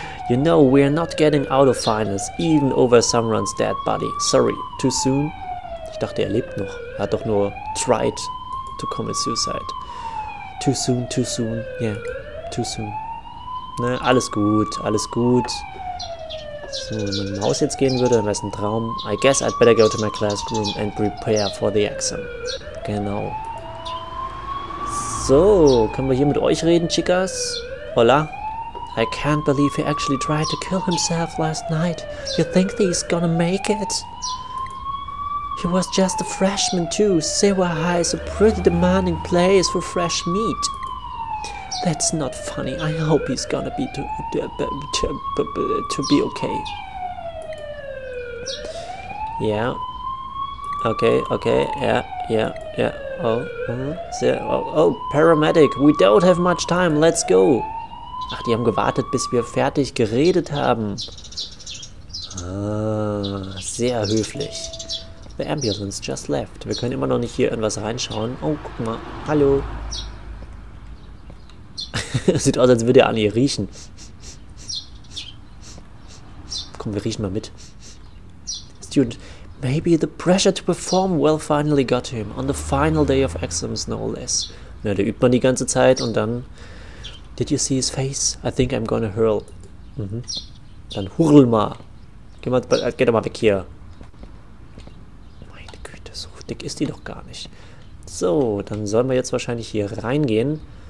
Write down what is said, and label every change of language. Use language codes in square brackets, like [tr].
[en] You know, we're not getting out of finals, even over someone's dead body. Sorry, too soon? [de] Ich dachte, er lebt noch. Er hat doch nur [en] tried to commit suicide. Too soon, yeah, too soon. [de] Ne, alles gut, alles gut. So, wenn man im Haus jetzt gehen würde, dann wäre es ein Traum. [en] I guess I'd better go to my classroom and prepare for the exam. [de] Genau. So, können wir hier mit euch reden, Chicas? [en] Hola. I can't believe he actually tried to kill himself last night. You think he's gonna make it? He was just a freshman too. Sewa High is a pretty demanding place for fresh meat. That's not funny. I hope he's gonna be to be okay. Yeah. Okay, okay. Yeah, yeah, yeah. Oh, oh, paramedic. We don't have much time. Let's go. [de] Ach, die haben gewartet, bis wir fertig geredet haben. Ah, sehr höflich. [en] The ambulance just left. [de] Wir können immer noch nicht hier irgendwas reinschauen. Oh, guck mal. Hallo. Sieht aus, als würde er an ihr riechen. Komm, wir riechen mal mit. [en] Student, maybe the pressure to perform well finally got him. On the final day of exams, no less. [de] Na, da übt man die ganze Zeit und dann... [en] Did you see his face? I think I'm gonna hurl. Mhm. [de] Dann hurl mal. Geh doch mal weg hier. Meine Güte, so dick ist die doch gar nicht. So, dann sollen wir jetzt wahrscheinlich hier reingehen.